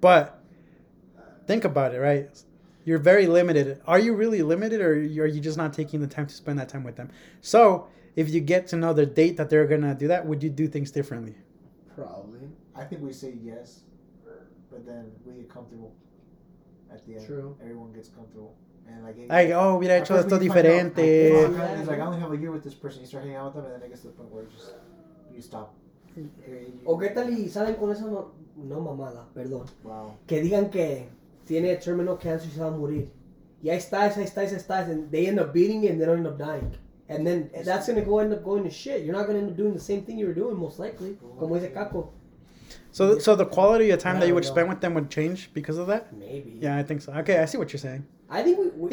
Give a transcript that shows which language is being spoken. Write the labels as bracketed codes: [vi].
[en] But think about it, right? You're very limited. Are you really limited, or are you just not taking the time to spend that time with them? So if you get to know the date that they're gonna do that, would you do things differently? Probably. I think we say yes, but then we get comfortable at the end. True. Everyone gets comfortable. [es] Like, mira, hecho esto diferente. [en] It's like, I only have a year with this person. You start hanging out with them, and then it gets to the point where you stop. [es] O qué tal y salen con eso, no mamada, perdón. [en] Wow. [es] Que digan que tiene terminal cancer y se va a morir. Y ahí estás, [en] and they end up beating you and they don't end up dying. And then that's going to go end up going to shit. You're not going to end up doing the same thing you were doing, most likely. [es] Oh, como dice Caco. [en] So the quality of time that you would spend with them would change because of that? Maybe. Yeah, I think so. Okay, I see what you're saying. I think we